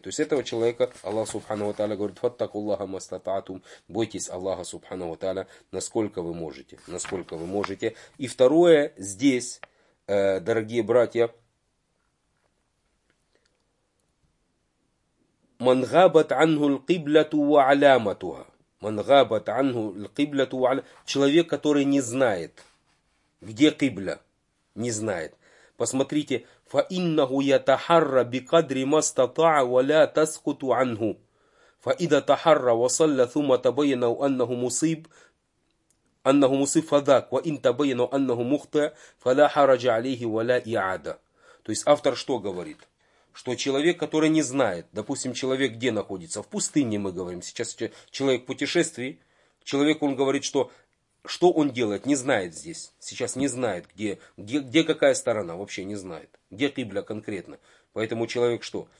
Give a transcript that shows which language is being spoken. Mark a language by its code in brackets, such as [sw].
[ru] То есть этого человека Аллах Субхану Тааля говорит, [ar] фаттакуллаха мастатаатум, [ru] бойтесь Аллаха Субхану Тааля, насколько вы можете, насколько вы можете. И второе, здесь, дорогие братья, [ar] من غابت عنه القبلة وعلامتها. من غابت عنه القبلة وعلامتها. Человек, который не знает, где кибля, не знает. Посмотрите, فإنه يتحرى بقدر ما استطاع ولا تسقط عنه. فإذا تحرى وصلى ثم تبين أنه مصيب, أنه مصيب فذاك. وإن تبين أنه مخطئ فلا حرج عليه ولا إعادة. [ru] То есть автор что говорит? Что человек, который не знает, допустим, человек где находится? В пустыне, мы говорим, сейчас человек в путешествии, человек, он говорит, что он делает, не знает здесь, сейчас не знает, где какая сторона, вообще не знает, где кибля конкретно. Поэтому человек что?